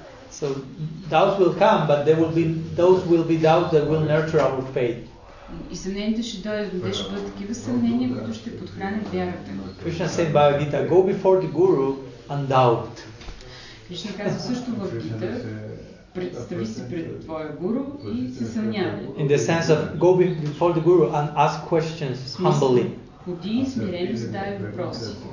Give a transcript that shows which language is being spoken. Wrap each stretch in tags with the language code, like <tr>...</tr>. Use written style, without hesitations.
<en>So doubts will come, but there will be those will be doubts that will nurture our faith. Krishna said by Gita, go before the Guru and doubt.</en> <bg>Krishna каза също в Гита, представи се пред твоя гуру и се съмнявай.</bg> <en>In the sense of go before the guru and ask questions humbly.</en> <bg>Ходи смирено, задавай въпроси.</bg>